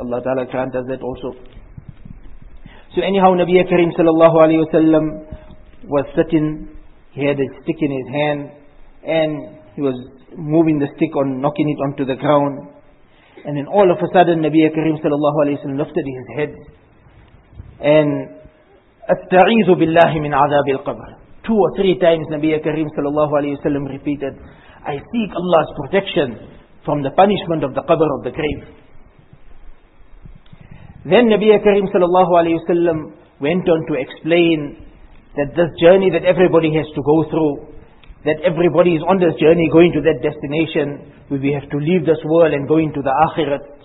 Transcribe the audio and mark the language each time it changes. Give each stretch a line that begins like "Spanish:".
English: Allah Ta'ala grant us that also. So anyhow, Nabi Kareem sallallahu alayhi wa sallam was sitting, he had a stick in his hand, and he was moving the stick on, knocking it onto the ground. And then all of a sudden, Nabi Kareem sallallahu alayhi wa sallam lifted his head.
Arabic: And, أَتَّعِيذُ بِاللَّهِ مِنْ عَذَابِ الْقَبْرِ.
English: Two or three times Nabi Kareem sallallahu alayhi wa sallam repeated, I seek Allah's protection from the punishment of the qabr, of the grave. Then Nabi Kareem sallallahu alayhi wa sallam went on to explain that this journey that everybody has to go through, that everybody is on this journey going to that destination where we have to leave this world and go into the akhirat.